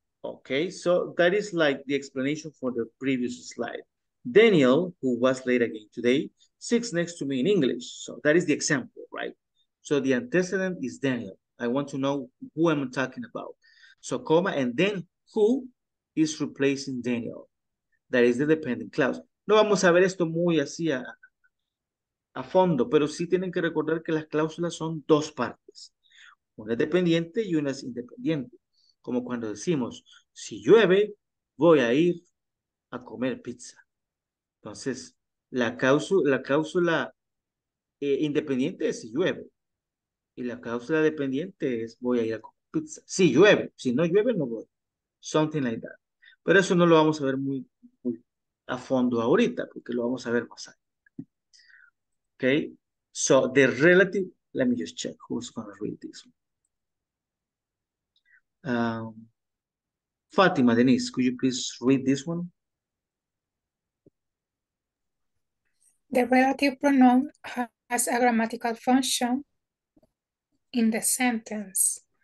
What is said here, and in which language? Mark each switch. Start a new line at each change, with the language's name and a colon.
English: Okay, so that is like the explanation for the previous slide. Daniel, who was late again today, sits next to me in English. So that is the example, right? So the antecedent is Daniel. I want to know who I'm talking about. So comma, and then who is replacing Daniel? That is the dependent clause.
Spanish: No vamos a ver esto muy así a fondo, pero sí tienen que recordar que las cláusulas son dos partes. Una es dependiente y una es independiente. Como cuando decimos, si llueve, voy a ir a comer pizza. Entonces, la cláusula independiente es si llueve. Y la cláusula dependiente es voy a ir a comer pizza. Si llueve, si no llueve, no voy.
English: Something like that.
Spanish: Pero eso no lo vamos a ver muy, muy a fondo ahorita, porque lo vamos a ver más allá.
English: Okay? So, the relative, let me just check who's going to read this one. Fatima, Denise, could you please read this one? The relative pronoun has a grammatical function in the sentence.